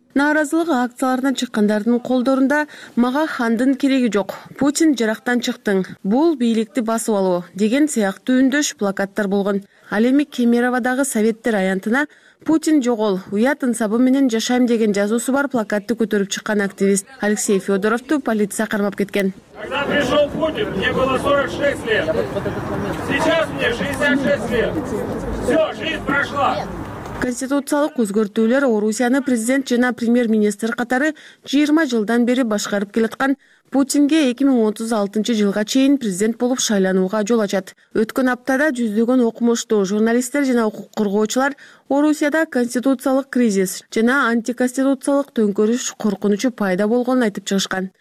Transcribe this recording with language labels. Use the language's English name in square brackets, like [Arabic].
[Kyrgyz] Нааразылык акцияларына чыккандардын колдорунда мага хандын кереги жок, Путин жарактан чыктың, бул бийликти басып алуу деген сыяктуу үндөш плакаттар болгон. Ал эми Кемеровадагы советтер аянтына Путин жогол, уят ынсабы менен жашайм деген жазуусу бар плакатты көтөрүп чыккан активист Алексей Федоровту полиция кармап кеткен. [Russian] Когда пришел Путин, мне было 46 лет. Сейчас мне 66 лет. Все, жизнь прошла. [Kyrgyz] Конституциялык өзгөртүүлөр Орусияны президент жана премьер-министр катары 20 жылдан бери башкарып келаткан Путинге 2036 жылга чейин президент болуп шайланууга жол ачат. Өткөн аптада жүздөгөн окумуштуу журналисттер жана укук коргоочулар Орусияда конституциялык кризис жана антиконституциялык төңкөрүш коркунучу пайда болгонун айтып чыгышкан.